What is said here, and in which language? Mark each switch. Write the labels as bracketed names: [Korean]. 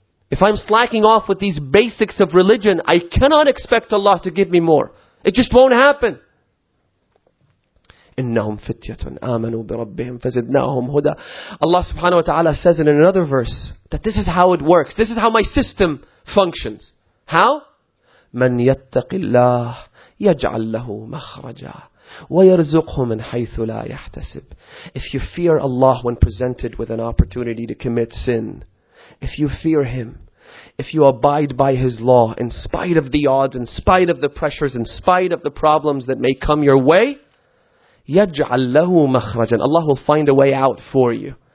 [English] If I'm slacking off with these basics of religion, I cannot expect Allah to give me more. It just won't happen. [Arabic] إنهم فتية آمنوا بربهم فزدناهم هدى. [English] Allah subhanahu wa ta'ala says in another verse that this is how it works. This is how my system functions. How? [Arabic] من يتق الله يجعل له مخرجا ويرزقه من حيث لا يحتسب. [English] If you fear Allah when presented with an opportunity to commit sin, if you fear Him, if you abide by His law, in spite of the odds, in spite of the pressures, in spite of the problems that may come your way, [Arabic] يَجْعَلْ لَهُ مَخْرَجًا. [English] Allah will find a way out for you.